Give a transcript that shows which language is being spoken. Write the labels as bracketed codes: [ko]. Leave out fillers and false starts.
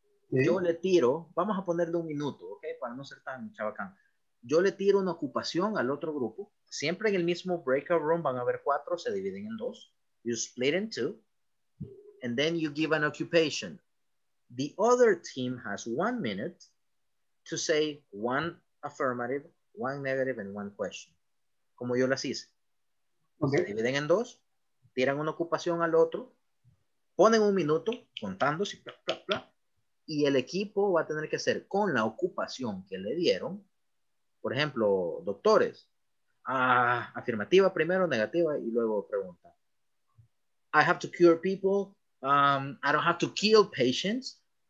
[es] Yo le tiro, vamos a ponerle un minuto, ¿ok? Para no ser tan chavacán. Yo le tiro una ocupación al otro grupo. Siempre en el mismo breakout room van a haber cuatro, se dividen en dos. [en] You split in two. And then you give an occupation. The other team has 1 minute to say one affirmative, one negative, and one question. [es] Como yo las hice. Okay. Se dividen en dos, tiran una ocupación al otro, ponen un minuto contando, bla, bla, bla, y el equipo va a tener que hacer con la ocupación que le dieron. Por ejemplo, doctores, afirmativa primero, negativa, y luego pregunta. [en] I have to cure people. I don't have to kill patients.